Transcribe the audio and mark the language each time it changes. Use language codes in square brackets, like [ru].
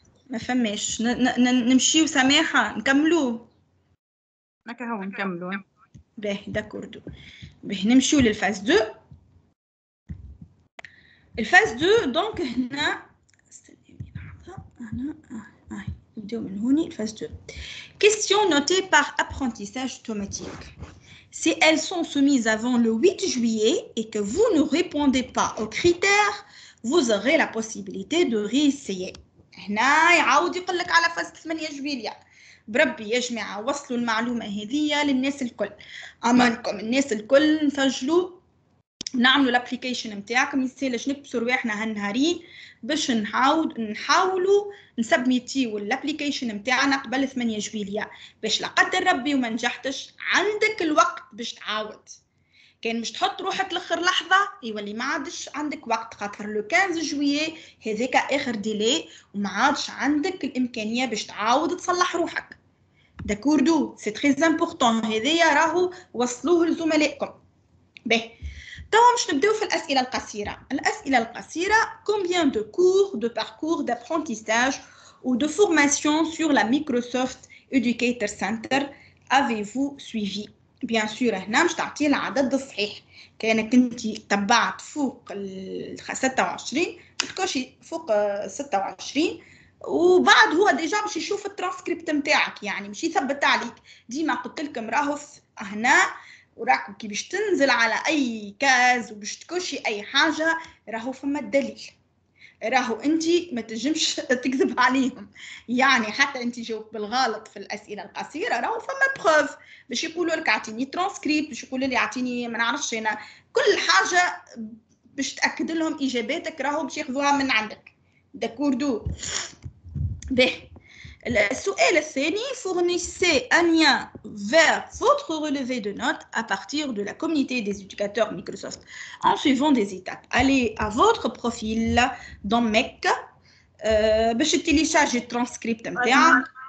[ar] ما فماش نمشيو سماحة نكملو ناكا هو نكملو باه داكوردو باه نمشيو للفاز دو. الفاز دو دونك هنا استنيني لحظة انا نبداو من هوني. الفاز دو [fr] question notée par apprentissage automatique. Si elles sont soumises avant le 8 juillet et que vous ne répondez pas aux critères, vous aurez la possibilité de réessayer. [ar] هنا يعاود يقول لك على فاز 8 جويليا. بربي يا جماعة وصلوا المعلومة هذية للناس الكل. أمانكم الناس الكل نسجلوا نعملوا الابليكيشن نتاعكم يسالش نبصر واحنا هالنهارين باش نعاود نحاولوا نسبميتيو الابليكيشن نتاعنا قبل 8 جويليا باش لا قدر ربي وما نجحتش عندك الوقت باش تعاود. كان مش تحط روحك لاخر لحظة يولي ما عادش عندك وقت خاطر لو 15 جويليا هذيك اخر ديلي وما عادش عندك الامكانية باش تعاود تصلح روحك. داكوردو سي تري امبورطون هذيا راهو وصلوه لزملائكم. باه توا مش نبداو في الاسئله القصيره. الاسئله القصيره [fr] combien de cours de parcours d'apprentissage ou de formation sur la Microsoft Educator Center avez-vous suivi؟ [ar] بيان سور هنا مش تعطي العدد الصحيح. كانك انت تبعت فوق 26 تكوشي فوق 26 وبعد هو ديجا باش يشوف الترانسكريبت نتاعك يعني مش يثبت عليك. ديما قلت لكم راهو هنا وراكم كي باش تنزل على اي كاز وباش تكوشي اي حاجه راهو فما الدليل راهو انت ما تنجمش تكذب عليهم يعني حتى انت جاوب بالغلط في الاسئله القصيره راهو فما بروف باش يقولوا لك اعطيني ترانسكريبت باش يقولوا لي اعطيني ما نعرفش انا كل حاجه باش تاكد لهم اجاباتك راهو باش ياخذوها من عندك. داكوردو باه السؤال الثاني [fr] fournissez un lien vers votre relevé de notes à partir de la communauté des éducateurs Microsoft en suivant des étapes. Allez à votre profil dans Mac, [ar] باش تيليشارجي الترانسكريبت نتاعك.